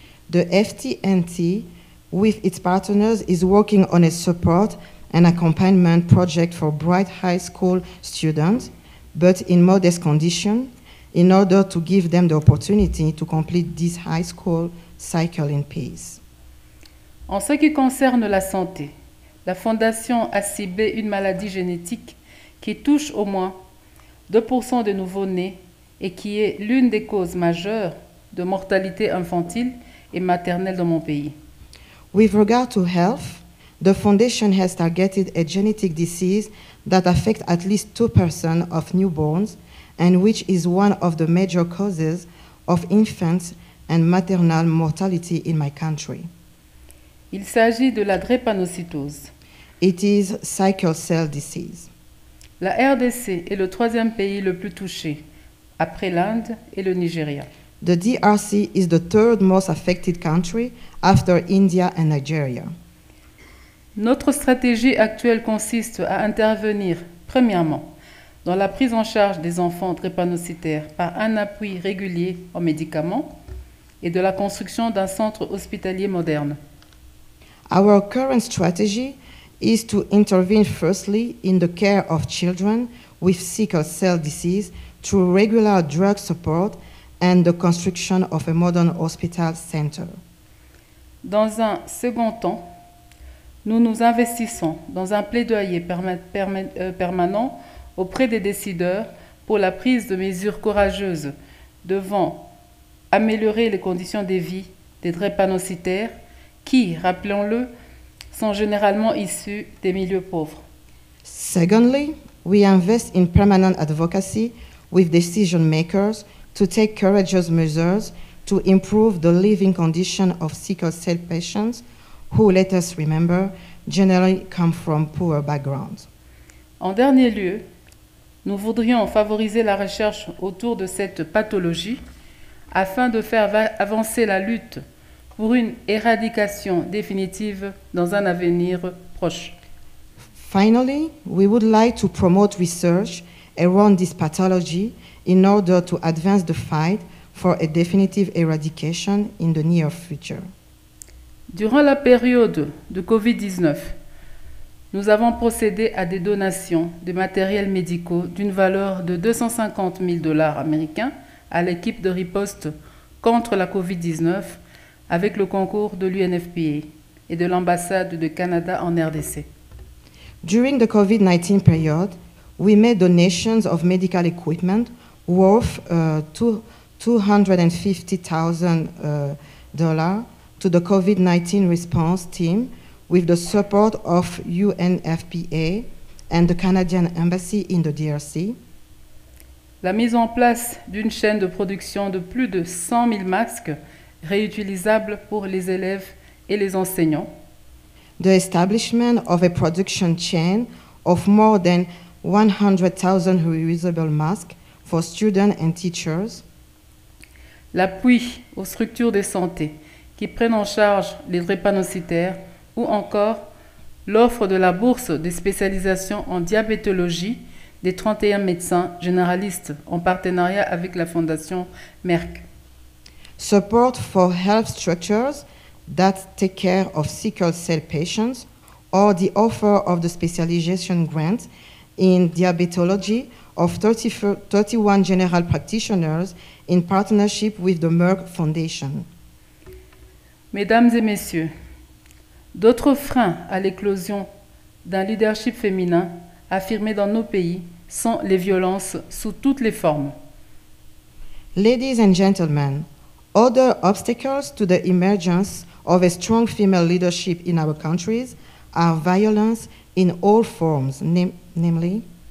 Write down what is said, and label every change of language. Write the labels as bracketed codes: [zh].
[en] The FNDNT, with its partners, is working on a support and accompaniment project for bright high school students, but in modest conditions, in order to give them the opportunity to complete this high school cycle in peace. [fr] En ce qui concerne la santé, la Fondation a ciblé une maladie génétique qui touche au moins 2% des nouveaux-nés et qui est l'une des causes majeures de mortalité infantile et maternelle dans mon pays. [en] With regard to health, the Foundation has targeted a genetic disease that affects at least 2% of newborns and which is one of the major causes of infants and maternal mortality in my country. [fr] Il s'agit de la drépanocytose. [en] It is sickle cell disease. [fr] La RDC est le troisième pays le plus touché, après l'Inde et le Nigeria. [en] The DRC is the third most affected country after India and Nigeria. [fr] Notre stratégie actuelle consiste à intervenir, premièrement, dans la prise en charge des enfants drépanocytaires par un appui régulier en médicaments et de la construction d'un centre hospitalier moderne. [en] Our current strategy is to intervene firstly in the care of children with sickle cell disease through regular drug support and the construction of a modern hospital center. [fr] Dans un second temps, nous nous investissons dans un plaidoyer permanent auprès des décideurs pour la prise de mesures courageuses devant améliorer les conditions de vie des drépanocytaires qui, rappelons-le, sont généralement issus des milieux pauvres. [en] Secondly, we invest in permanent advocacy with decision makers to take courageous measures to improve the living condition of sickle cell patients who, let us remember, generally come from poor backgrounds. [fr] En dernier lieu, nous voudrions favoriser la recherche autour de cette pathologie afin de faire avancer la lutte pour une éradication définitive dans un avenir proche. [en] Finally, we would like to promote research around this pathology in order to advance the fight for a definitive eradication in the near future. [fr] Durant la période de COVID-19, nous avons procédé à des donations de matériels médicaux d'une valeur de $250,000 américains à l'équipe de riposte contre la COVID-19 avec le concours de l'UNFPA et de l'ambassade de Canada en RDC. [en] During the COVID-19 period, we made donations of medical equipment worth $250,000 to the COVID-19 response team with the support of UNFPA and the Canadian Embassy in the DRC. [fr] La mise en place d'une chaîne de production de plus de 100 000 masques réutilisables pour les élèves et les enseignants. [en] The establishment of a production chain of more than 100,000 reusable masks for students and teachers. [fr] L'appui aux structures de santé qui prennent en charge les drépanocytaires ou encore l'offre de la bourse de spécialisation en diabétologie des 31 médecins généralistes en partenariat avec la Fondation Merck. [en] Support for health structures that take care of sickle cell patients or the offer of the specialization grant in diabetology of 31 general practitioners in partnership with the Merck Foundation. [fr] Mesdames et messieurs, d'autres freins à l'éclosion d'un leadership féminin affirmé dans nos pays sont les violences sous toutes les formes. [en] Ladies and gentlemen, other obstacles to the emergence of a strong female leadership in our countries are violence in all forms, namely...